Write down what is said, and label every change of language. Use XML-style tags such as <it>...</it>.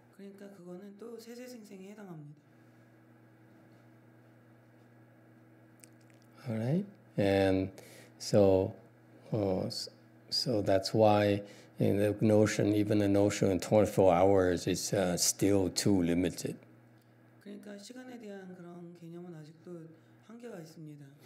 <ko>그러니까 그거는 또 세세생생에 해당합니다.</ko> <en>All right, and so that's why in the notion, even the notion of 24 hours is still too limited.</en> <ko>그러니까 시간에 대한 그런 개념은 아직도 한계가 있습니다.</ko>